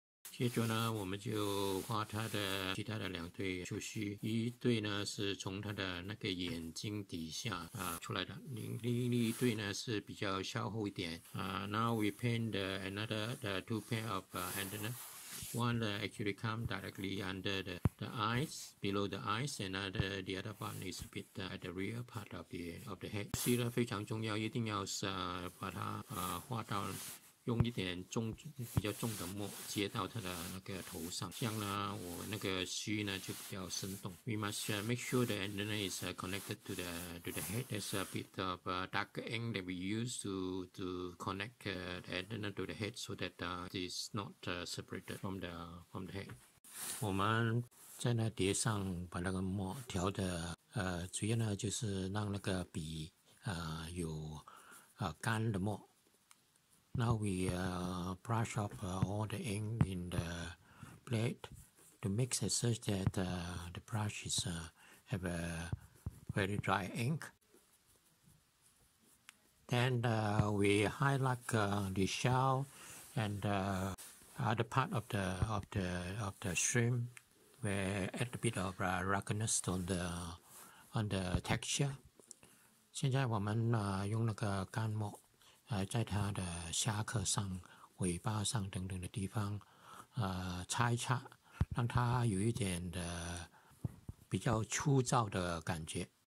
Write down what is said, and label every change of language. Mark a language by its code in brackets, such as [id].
[zh] 接着呢，我们就画它的其他的两对触须，一对呢是从它的那个眼睛底下出来的，另一对呢是比较稍厚一点。 [en] Now we paint the two pair of antenna. One actually come directly under the eyes, below the eyes, and the other one is a bit at the rear part of the head. [zh] 是的，非常重要，一定要是把它画到。用一点重比较重的墨接到他的那个头上，这样呢我那个须呢就比较生动。 [en] We must make sure the antenna is connected to the head. There's a bit of a dark ink that we use to connect the antenna to the head so that it is not separated from the head. [zh] 我们在那碟上把那个墨调的主要呢就是让那个笔有干的墨。 [en] Now we brush off all the ink in the blade to mix it such that the brush is have a very dry ink. Then we highlight the shell and other part of the shrimp where add a bit of ruggedness on the texture. [zh] 现在我们用那个干墨。在它的虾壳上、尾巴上等等的地方，擦一擦，让它有一点的比较粗糙的感觉。